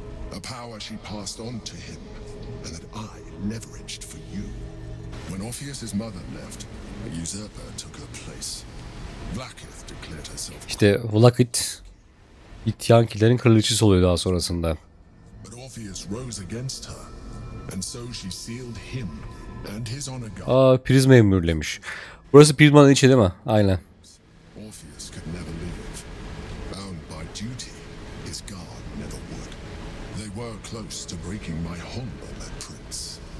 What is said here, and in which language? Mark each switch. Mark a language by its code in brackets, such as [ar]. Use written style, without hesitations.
[en] A power she passed on to him and that I leveraged for you. When Orpheus's mother left, a usurper took her place. Vlakith declared herself. [tr] İşte Vlakith git yan kilerin kraliçesi oluyor daha sonrasında. [en] But Orpheus rose against her. And so she sealed him and his honor guard. [tr] Aa, prizmayı mühürlemiş. Burası prizmanın içi değil mi? Aynen. [en] Orpheus could never leave. Bound by duty, his guard never would. They were close to breaking my hold on that prince.